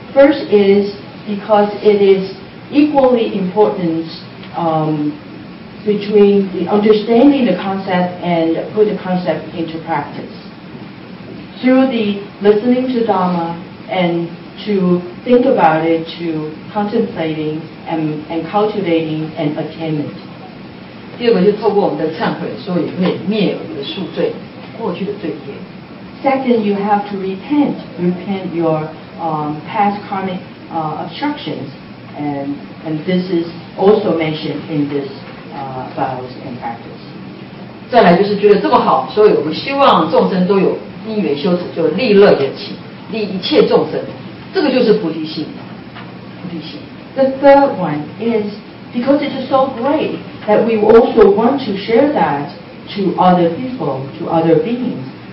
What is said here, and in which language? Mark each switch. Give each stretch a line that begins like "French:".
English: First is because it is equally important between the understanding the concept and put the concept into practice. Through the listening to Dharma and to think about it to contemplating and cultivating an attainment.
Chinese: 第二个就透过我们的忏悔，所以会灭我们的宿罪，过去的罪业。
English: Second, you have to repent your past karmic obstructions, and this is also mentioned in this vows and practice.
Chinese: 再来就是觉得这么好，所以我们希望众生都有因缘修持，就利乐缘起，利一切众生。这个就是菩提心，菩提心。
English: The third one is because it is so great that we also want to share that to other people, to other beings.